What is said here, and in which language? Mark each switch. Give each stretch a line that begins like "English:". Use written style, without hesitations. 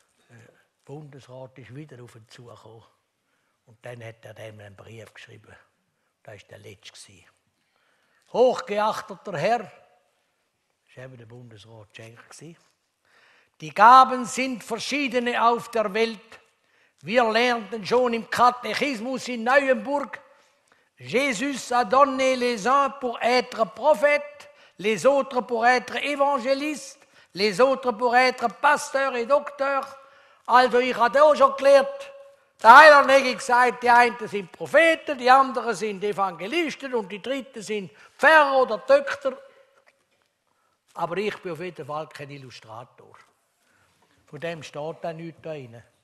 German: Der Bundesrat ist wieder auf ihn zugekommen und dann hat er dem einen Brief geschrieben. Das war der letzte gewesen. Hochgeachteter Herr, das war eben der Bundesrat Schenk, die Gaben sind verschiedene auf der Welt. Wir lernten schon im Katechismus in Neuenburg,
French: Jesus a donné les uns pour être prophète, les autres pour être évangéliste, les autres pour être pasteur et docteur.
German: Also ich habe auch schon gelernt, der Heiland hat gesagt, die einen sind Propheten, die anderen sind Evangelisten und die dritten sind Pfarrer oder Töchter. Aber ich bin auf jeden Fall kein Illustrator. Von dem steht auch nichts da drin.